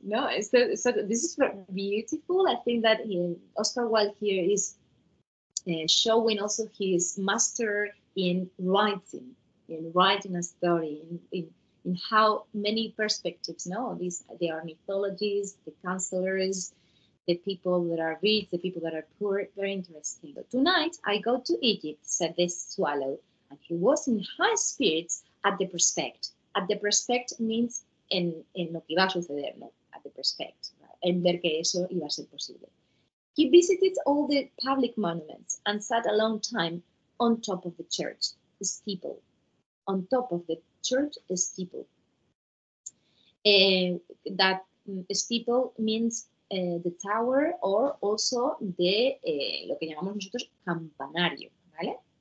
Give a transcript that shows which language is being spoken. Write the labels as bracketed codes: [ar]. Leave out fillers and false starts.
[en] No, so this is beautiful. I think that Oscar Wilde here is showing also his master in writing a story, in how many perspectives, no? These, they are mythologies, the counselors, the people that are rich, the people that are poor, very interesting. But tonight, I go to Egypt, said this swallow, and he was in high spirits at the prospect. At the prospect means [es] en lo que iba a suceder, no? [en] At the prospect, right? [es] En ver que eso iba a ser posible. [en] He visited all the public monuments and sat a long time on top of the church, the steeple, on top of the church steeple. That steeple means the tower or also the [es] lo que llamamos nosotros campanario, ¿vale?